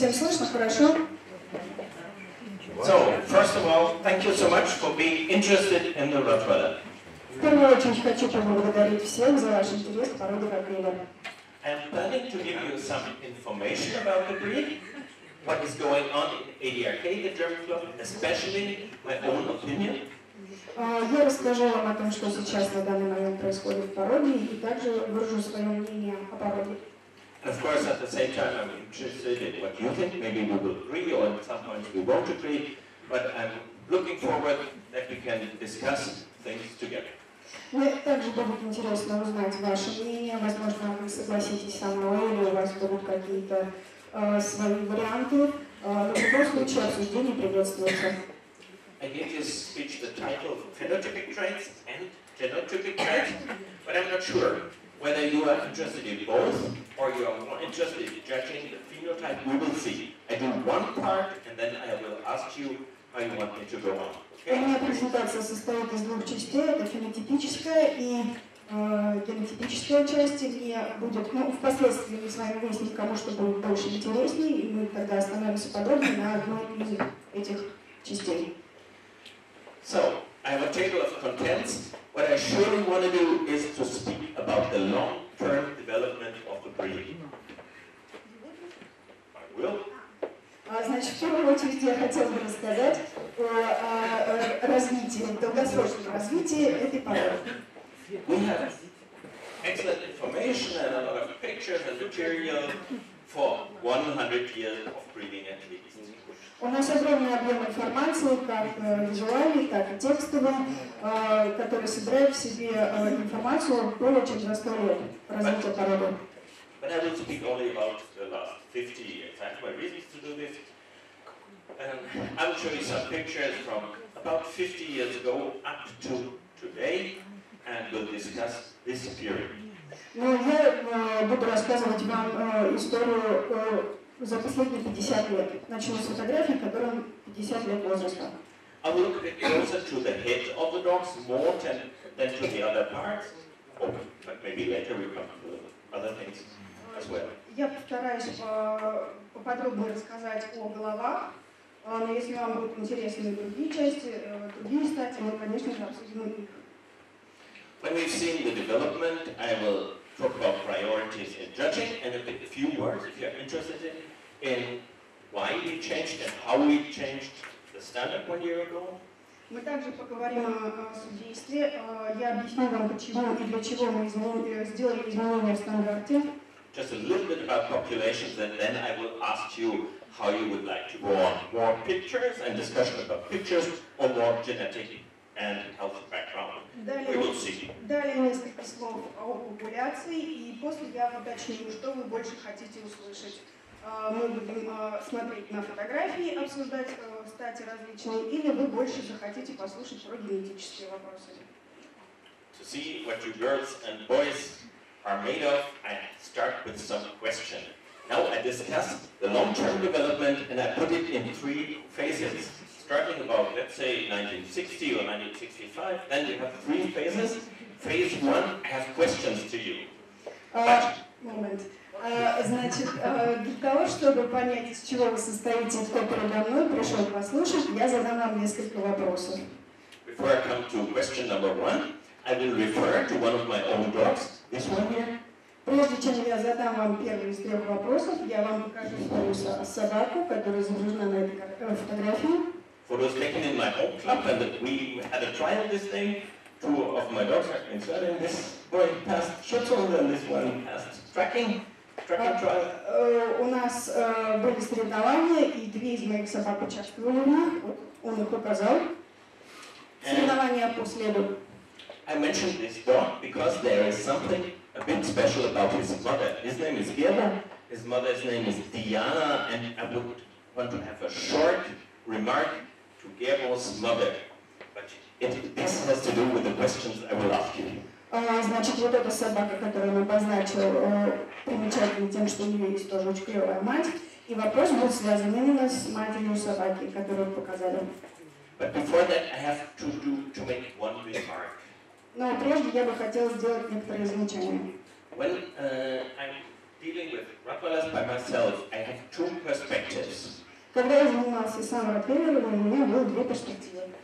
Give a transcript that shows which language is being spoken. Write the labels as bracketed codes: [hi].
[en] So, first of all, thank you so much for being interested in the ROTWEILER. [ru] В первую очередь хочу поблагодарить всех за ваш интерес к породе ротвейлер. [en] I'm planning to give you some information about the breed, what is going on in ADRK, the German club, especially my own opinion. [ru] Я расскажу вам о том, что сейчас на данный момент происходит в породе, и также выражу свое мнение о породе. [en] Of course, at the same time, I'm interested in what you think. Maybe we will agree, or at some point we won't agree. But I'm looking forward that we can discuss things together. [ru] Мне также будет интересно узнать ваше мнение. Возможно, вы согласитесь со мной, или у вас будут какие-то свои варианты. Но в любом случае обсуждение приветствуется. [en] I gave this speech the title "Phenotypic Traits and Genotypic Traits," but I'm not sure whether you are interested in both. Or you are more interested in judging the phenotype, we will see. I do one part, and then I will ask you how you want me to go on. [ru] У меня презентация состоит из двух частей: это фенотипическая и генотипическая части. Мне будет, ну, впоследствии мы с вами выясним, кому что будет больше интереснее, и мы тогда остановимся подробнее на одной из этих частей. [en] So I have a table of contents. What I surely want to do is to speak about the long-term development of the breed. I will. [ru] Значит, в первую очередь я хотел бы рассказать о развитии, долгосрочном развитии этой породы. [en] We have excellent information and a lot of pictures and material for 100 years of breeding at least. [ru] У нас огромный объем информации, как визуальной, так и текстовой, который собирает в себе информацию более чем за 100 лет развития породы. [en] But I will speak only about the last 50 years. I have my reasons to do this. I will show you some pictures from about 50 years ago up to today, and we'll discuss this period. [ru] Но я буду рассказывать вам историю за последние 50 лет. Начну с фотографии, которым 50 лет возраста. [en] I will look a bit closer to the head of the dogs, more than to the other parts. Oh, but maybe later we come to other things as well. [ru] Я постараюсь поподробнее рассказать о головах. Но если вам будут интересны другие части, другие статьи, мы, конечно же, обсудим их. [en] When we've seen the development, I will talk about priorities in judging and a few words, if you're interested in why we changed and how we changed the standard 1 year ago. [ru] Мы также поговорим о судействе. Я объясню вам, почему и для чего мы сделали изменения в стандарте. [en] Just a little bit about populations, and then I will ask you how you would like to go on. More pictures and discussion about pictures or more genetic and health background. [ru] Далее, [en] we will see. [ru] Далее несколько слов о популяции, и после я уточню, что вы больше хотите услышать. Мы будем смотреть на фотографии, обсуждать стати различные, или вы больше захотите послушать про генетические вопросы. [en] To see what you girls and boys are made of, I start with some question. Now I discuss the long-term development, and I put it in three phases. Starting about, let's say, 1960 or 1965, then you have three phases. Phase one, I have questions to you. Moment. [ru] Значит, для того, чтобы понять, из чего вы состоите, кто передо мной пришел послушать, я задам вам несколько вопросов. [en] Before I come to question number one, I will refer to one of my own dogs, this one here. [ru] Прежде чем я задам вам первый из трех вопросов, я вам покажу свою собаку, которая изображена на этой фотографии. [en] It was taken in my home club, and we had a trial this day. Two of my dogs have been studying. This boy passed shuttle, and this one passed tracking trial. [ru] У нас были соревнования, и две из моих собак участвовали в них. Он их показал. Соревнования по следу. [en] I mentioned this dog because there is something a bit special about his mother. His name is Gerda. his mother's name is Diana, and I would want to have a short remark to Gabo's mother, but this has to do with the questions I will ask you. [ru] Значит, вот эта собака, которую он обозначил, примечательна тем, что у нее есть тоже очень клевая мать, и вопрос будет связан именно с матерью собаки, которую вы показали. [en] But before that, I have to make one remark. [ru] Но прежде я бы хотела сделать некоторые замечания. [en] When I'm dealing with Rottweilers by myself, I have two perspectives. [ru] Когда я занимался сам Ротвейлером, у меня было две перспективы.